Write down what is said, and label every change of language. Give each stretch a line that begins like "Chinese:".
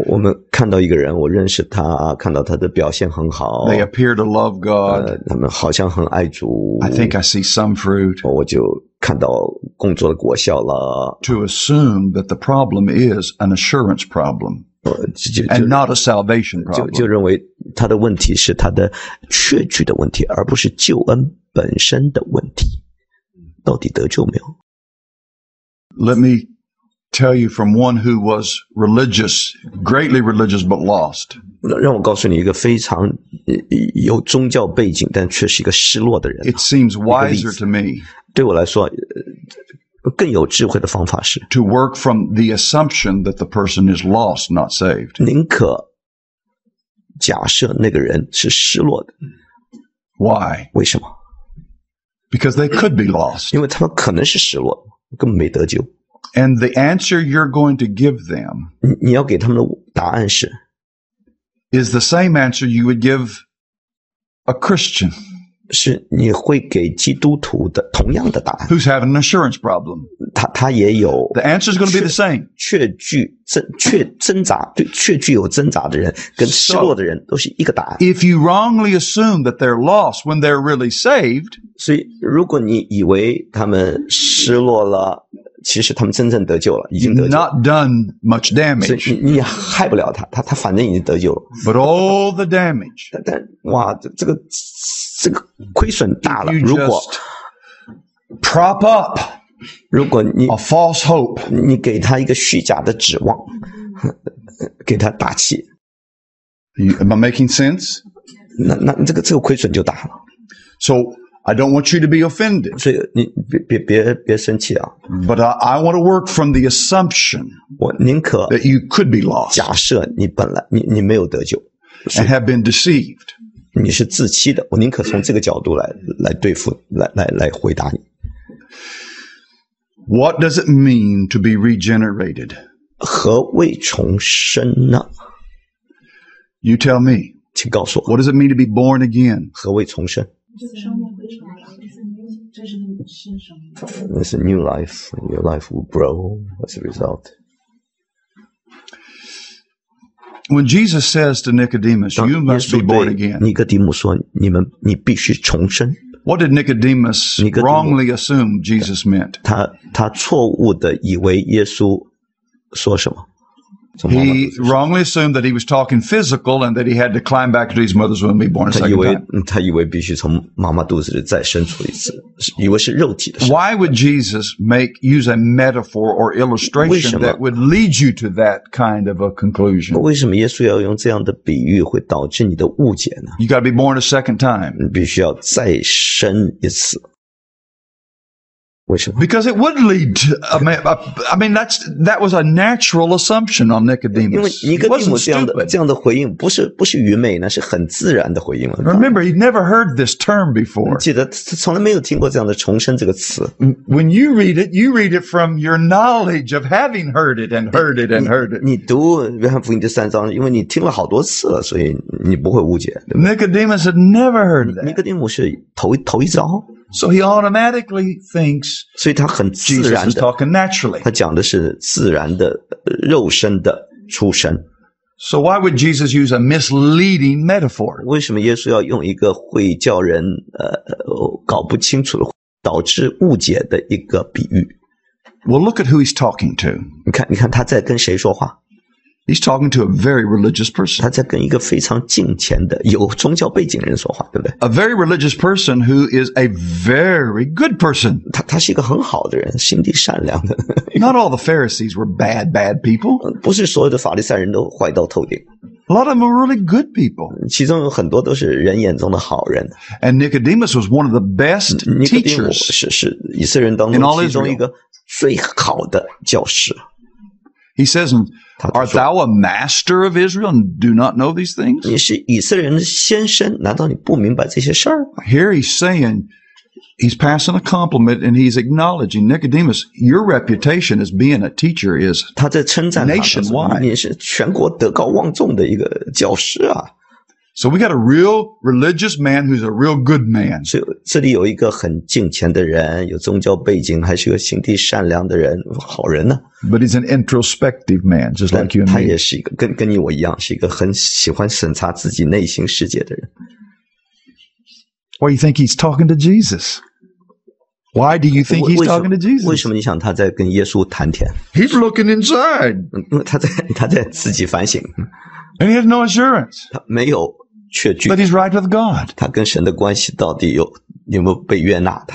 Chinese: 我们看到一个人，我认识他，看到他的表现很好。
English: They appear to love God.
Chinese: 他们好像很爱主。
English: I think I see some fruit.
Chinese: 我就看到工作的果效了。
English: To assume that the problem is an assurance problem. And not a salvation problem.
Chinese: 就认为他的问题是他的确据的问题，而不是救恩本身的问题。到底得救没有？
English: Let me tell you from one who was religious, greatly religious, but lost.
Chinese: 让我告诉你一个非常有宗教背景，但却是一个失落的人。
English: It seems wiser to me.
Chinese: 对我来说，更有智慧的方法是
English: to work from the assumption that the person is lost, not saved.
Chinese: 宁可假设那个人是失落的。
English: Why?
Chinese: 为什么？
English: Because they could be lost.
Chinese: 因为他们可能是失落，根本没得救。
English: And the answer you're going to give them,
Chinese: 你要给他们的答案是
English: is the same answer you would give a Christian.
Chinese: 是你会给基督徒的同样的答案。
English: Who's having an assurance problem?
Chinese: 他也有。
English: The answer is going to be the same.
Chinese: 确据有挣扎的人跟失落的人都是一个答案。
English: If you wrongly assume that they're lost when they're really saved,
Chinese: 所以如果你以为他们失落了，其实他们真正得救了，已经得救了。
English: Not done much damage.
Chinese: 所以你害不了他反正已经得救了。
English: But all the damage.
Chinese: 但哇，这个亏损大了。如果
English: prop up.
Chinese: 如果你
English: a false hope.
Chinese: 你给他一个虚假的指望，给他打气。
English: Am I making sense?
Chinese: 那这个亏损就大了。
English: So. I don't want you to be offended.
Chinese: 所以你别生气啊。
English: But I want to work from the assumption that you could be lost.
Chinese: 假设你本来你没有得救。
English: And have been deceived.
Chinese: 你是自欺的。我宁可从这个角度来对付来回答你。
English: What does it mean to be regenerated?
Chinese: 何谓重生呢？
English: You tell me.
Chinese: 请告诉我。
English: What does it mean to be born again?
Chinese: 何谓重生？
English: This is a new life. Your life will grow as a result. When Jesus says to Nicodemus, "You must be born again."
Chinese: 尼哥底母说，你必须重生。
English: What did Nicodemus wrongly assume Jesus meant?
Chinese: 他错误的以为耶稣说什么。
English: He wrongly assumed that he was talking physical and that he had to climb back to his mother's womb and be born a second time.
Chinese: 他以为必须从妈妈肚子里再生出一次，以为是肉体的事。
English: Why would Jesus use a metaphor or illustration that would lead you to that kind of a conclusion?
Chinese: 为什么耶稣要用这样的比喻会导致你的误解呢？
English: You got to be born a second time.
Chinese: 必须要再生一次。
English: Which, because it would lead to, I mean, that was a natural assumption on Nicodemus. It wasn't stupid.
Chinese: 这样的回应不是愚昧，那是很自然的回应了。
English: Remember, he'd never heard this term before.
Chinese: 记得他从来没有听过这样的重生这个词。
English: When you read it from your knowledge of having heard it and heard it and heard it.
Chinese: 你读约翰福音第三章，因为你听了好多次了，所以你不会误解。
English: Nicodemus had never heard that.
Chinese: 尼哥底母是头一遭。
English: So he automatically thinks,
Chinese: 所以他很自然的
English: Jesus is talking naturally.
Chinese: 他讲的是自然的肉身的出生。
English: So why would Jesus use a misleading metaphor?
Chinese: 为什么耶稣要用一个会叫人搞不清楚导致误解的一个比喻？
English: Well, look at who he's talking to.
Chinese: 你看他在跟谁说话？
English: He's talking to a very religious person.
Chinese: 他在跟一个非常敬虔的有宗教背景的人说话，对不对？
English: A very religious person who is a very good person.
Chinese: 他是一个很好的人，心地善良的。
English: Not all the Pharisees were bad people.
Chinese: 不是所有的法利赛人都坏到透顶。
English: A lot of them were really good people.
Chinese: 其中有很多都是人眼中的好人。
English: And Nicodemus was one of the best teachers.
Chinese: 是以色列人当中其中一个最好的教师。
English: He says, "Art thou a master of Israel and do not know these things?"
Chinese: 你是以色列人的先生，难道你不明白这些事儿？
English: Here he's saying, he's passing a compliment and he's acknowledging Nicodemus. Your reputation as being a teacher is
Chinese: 他在称赞他
English: nationwide.
Chinese: 你是全国德高望重的一个教师啊。
English: So we got a real religious man who's a real good man.
Chinese: 所以这里有一个很敬虔的人，有宗教背景，还是个心地善良的人，好人呢。
English: But he's an introspective man, just like you and me.
Chinese: 他也是一个跟你我一样，是一个很喜欢审查自己内心世界的人。
English: Why do you think he's talking to Jesus? Why do you think he's talking to Jesus?
Chinese: 为什么你想他在跟耶稣谈天？
English: He's looking inside.
Chinese: 他在自己反省。
English: And he has no assurance.
Chinese: 他没有确据。
English: But he's right with God.
Chinese: 他跟神的关系到底有没有被悦纳？